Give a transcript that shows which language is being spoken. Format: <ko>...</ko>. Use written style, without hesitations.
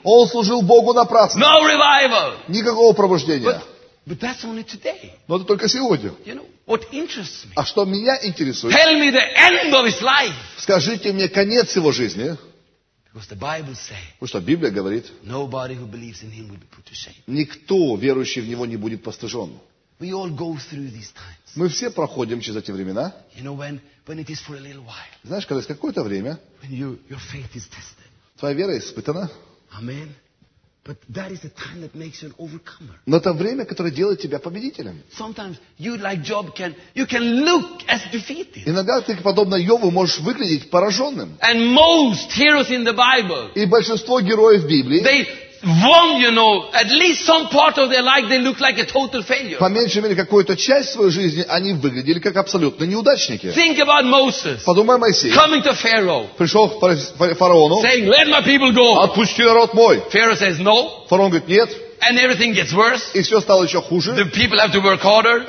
<ru>Он служил Богу напрасно.</ru> <en>No revival.</en> <ru>Никакого пробуждения.</ru> <en>But that's only today.</en> <ru>Но это только сегодня.</ru> <en>You know, what interests me?</en> <ru>А что меня интересует?</ru> <en>Tell me the end of his life.</en> <ru>Скажите мне конец его жизни.</ru> <en>Because the Bible says,</en> <ru>потому что Библия говорит,</ru> <en>nobody who believes in him will be put to shame.</en> <ru>Никто, верующий в него, не будет постыжен.</ru> <en>We all go through these times.</en> <ru>Мы все проходим через эти времена.</ru> <en>You know, when it is for a little while.</en> <ru>Знаешь, когда есть какое-то время,</ru> <en>when you, your faith is tested.</en> <ru>Твоя вера испытана.</ru> <en>Amen. But that is the time that makes you an overcomer.</en> <ru>Но это время, которое делает тебя победителем.</ru> <en>Sometimes you, like Job, can look as defeated.</en> <ru>Иногда ты, подобно Йову, можешь выглядеть пораженным.</ru> <en>And most heroes in the Bible.</en> <ru>И большинство героев Библии.</ru> <en>They one, you know, at least some part of their life they look like a total failure.</en> <ru>По меньшей мере, какую-то часть своей жизни они выглядели как абсолютно неудачники.</ru> <en>Think about Moses.</en> <ru>Подумай о Моисее.</ru> <en>Coming to Pharaoh.</en> <ru>Пришел к фараону.</ru> <en>Saying, "Let my people go."</en> <ru>Отпусти народ мой.</ru> <en>Pharaoh says, "No."</en> <ru>Фараон говорит, нет.</ru> <en>And everything gets worse.</en> <ru>И все стало еще хуже.</ru> <en>The people have to work harder.</en>